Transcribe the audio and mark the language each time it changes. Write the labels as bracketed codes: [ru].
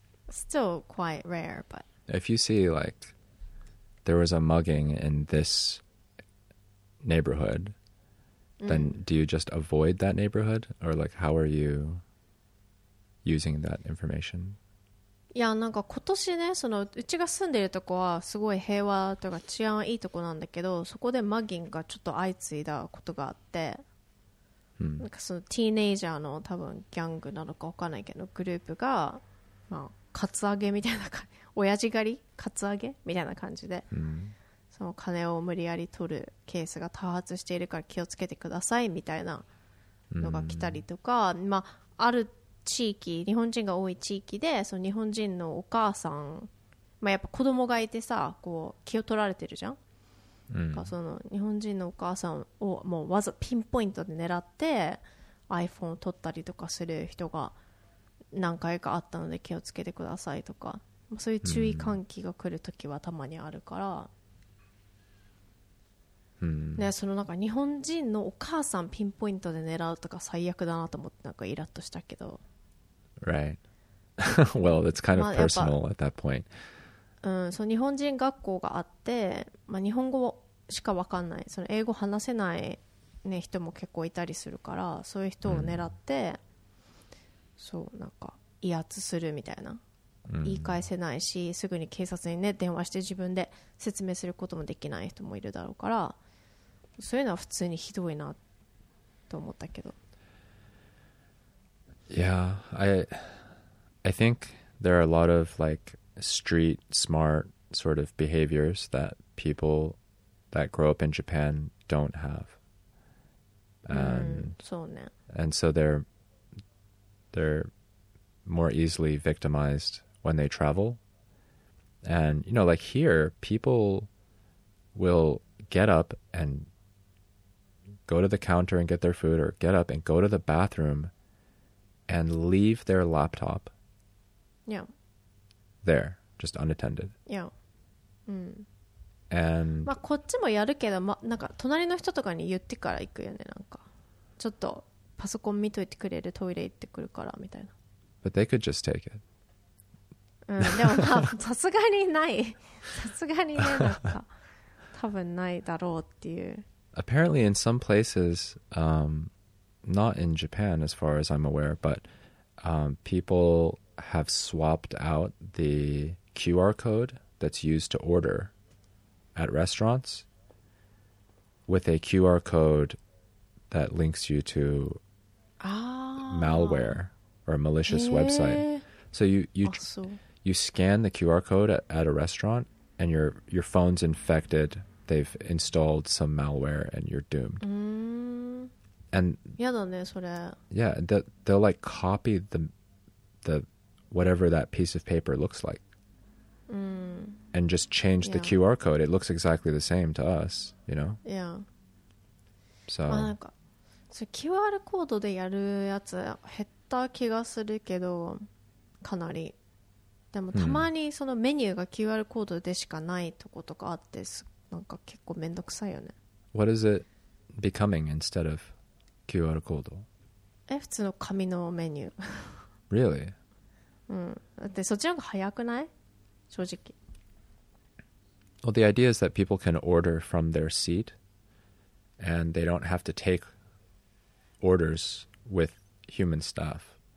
[en] Still quite rare, but if you see like there was a mugging in this neighborhood, then do you just avoid that neighborhood? Or like how are you using that information? [ja] いやなんか今年ねそのうちが住んでるとこはすごい平和というか治安いいとこなんだけどそこでマギンがちょっと相次いだことがあって、なんかそのティーネイジャーの多分ギャングなのか分かんないけどグループがまあカツアゲみたいな感じ親父狩りカツアゲみたいな感じで、その金を無理やり取るケースが多発しているから気をつけてくださいみたいなのが来たりとか、まあある地域日本人が多い地域でその日本人のお母さん、まあ、やっぱ子供がいてさこう気を取られてるじゃん、なんかその日本人のお母さんをもうわざピンポイントで狙って iPhone を取ったりとかする人が何回かあったので気をつけてくださいとかそういう注意喚起が来るときはたまにあるから、ね、そのなんか日本人のお母さんピンポイントで狙うとか最悪だなと思ってなんかイラッとしたけど [en] Right. Well, it's kind of personal at that point. [ja] そう日本人学校があって、まあ、日本語しか分かんないその英語話せない、ね、人も結構いたりするからそういう人を狙って、そうなんか威圧するみたいな、言い返せないしすぐに警察に、ね、電話して自分で説明することもできない人もいるだろうからそういうのは普通にひどいなと思ったけど [en] Yeah, I think there are a lot of like street smart sort of behaviors that people that grow up in Japan don't have. And, [ja] そうね。 [en] And so they're more easily victimized when they travel. And, you know, like here, people will get up and go to the counter and get their food or get up and go to the bathroom and leave their laptop there, just unattended. Yeah. And... [ja] まあこっちもやるけど、ま、なんか隣の人とかに言ってから行くよね、なんか。ちょっとパソコン見といてくれる、トイレ行ってくるからみたいな。 [en] But they could just take it. [ja] でもまあさすがにない。さすがにね、なんか多分ないだろうっていう。 [en] Apparently in some places... not in Japan, as far as I'm aware, but people have swapped out the QR code that's used to order at restaurants with a QR code that links you to malware or a malicious website. So you scan the QR code at a restaurant, and your phone's infected. They've installed some malware, and you're doomed. And [ja] やだね、それ。 [en] Yeah, they'll like copy the whatever that piece of paper looks like. And just change the QR code. It looks exactly the same to us, you know? Yeah. So, [ja] まあなんか、そう、QR コードでやるやつ減った気がするけど、かなり。でもたまにそのメニューが QR コードでしかないとことかあって、なんか結構めんどくさいよね。 [en] What is it becoming instead of? QR コード。 [ja] 普通の紙のメニュ [en] ー。 Really? [ja] だってそっちの方が早くない？正直。 [en] Well, the idea is that people can order from their seat and they don't have to take orders with human stuff.